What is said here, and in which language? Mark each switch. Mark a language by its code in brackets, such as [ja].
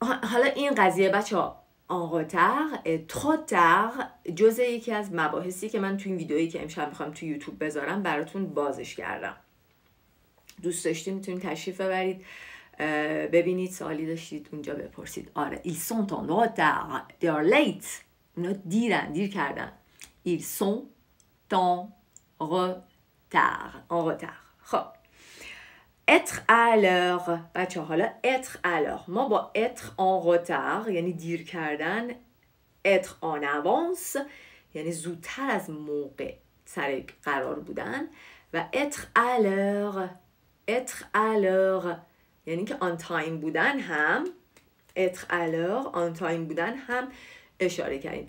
[fa] حالا این قضیه بچه ها [fr] en retard et trop tard [fa] جزء یکی از مباحثی که من تو این ویدئویی که امشب میخوام تو یوتیوب بذارم براتون بازش کردم. دوست داشتید میتونید تشریف ببرید ببینید، سوالی داشتید اونجا بپرسید. آره، [fr] ils sont en retard، [en] they are late، [fa] اونا دیر کردن. [fr] Ils sont en retard، en retard. [fa] خب [fr] être à l'heure. [fa] بچه حالا [fr] être à l'heure، [fa] ما با [fr] être en retard [fa] یعنی دیر کردن، [fr] être en avance [fa] یعنی زودتر از موقع سر قرار بودن، و اتر آلور، اتر آلور یعنی که آن تایم بودن هم، اتر آلور آن تایم بودن هم اشاره کردیم.